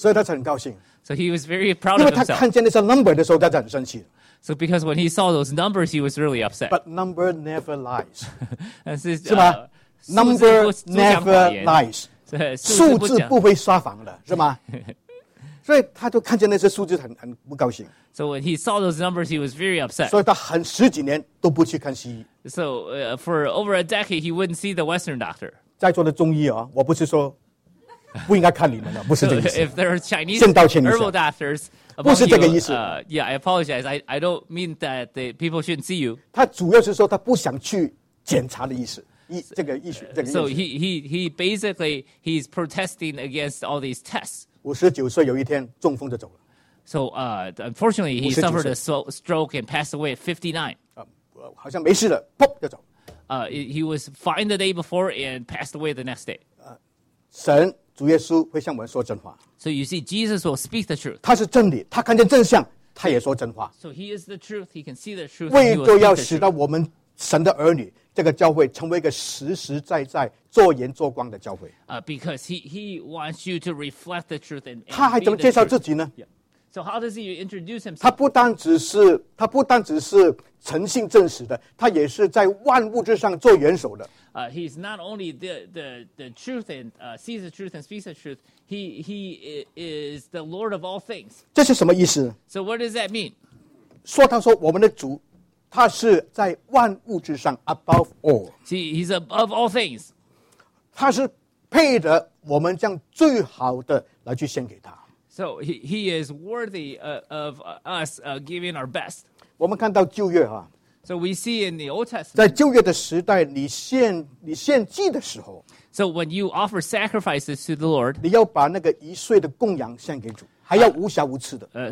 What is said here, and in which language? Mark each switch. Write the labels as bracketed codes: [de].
[en] So he was very proud of himself. [zh] 因为他看见那些 number 的时候，他就很生气。 [en] So because when he saw those numbers, he was really upset. But number never lies. [zh] 是吗？ Number never lies. 数字不会撒谎的，是吗？所以他就看见那些数字很不高兴。 [en] So when he saw those numbers, he was very upset. [zh] 所以他很十几年都不去看西医。 [en] So for over a decade, he wouldn't see the Western doctor. [zh] 在座的中医啊，我不是说不应该看你们的，不是这个意思。 [en] So if there are Chinese herbal doctors, [zh] 不是这个意思。 [en] Yeah, I apologize. I don't mean that the people shouldn't see you. [zh] 他主要是说他不想去检查的意思。这个医学，这个意思。 [en] So he basically he's protesting against all these tests. [zh] 五十九岁有一天中风就走了。 [en] So unfortunately, he suffered a stroke and passed away at 59. [zh] 好像没事了，砰就走。 [en] He was fine the day before and passed away the next day. [zh] 神主耶稣会向我们说真话。 [en] So you see, Jesus will speak the truth. [zh] 他是真理，他看见真相，他也说真话。 [en] So he is the truth. He can see the truth. [zh] 为着要使到我们神的儿女，这个教会成为一个实实在在做盐做光的教会。 [en] Because he wants you to reflect the truth and [zh] 他还怎么介绍自己呢？ [en] Yeah. So how does he introduce himself? [zh] 他不单只是诚信证实的，他也是在万物之上做元首的。 [en] He's not only the truth and sees the truth and speaks the truth. He is the Lord of all things. [zh] 这是什么意思？ [en] So what does that mean? [zh] 说他说我们的主，他是在万物之上 above all. [en] He's above all things. [zh] 他是配得我们将最好的来去献给他。 [en] So he is worthy of us giving our best. [zh] 我们看到旧约啊。 [en] So we see in the Old Testament. [zh] 在旧约的时代，你献祭的时候。 [en] So when you offer sacrifices to the Lord. [zh] 你要把那个一岁的供养献给主，还要无瑕无疵的。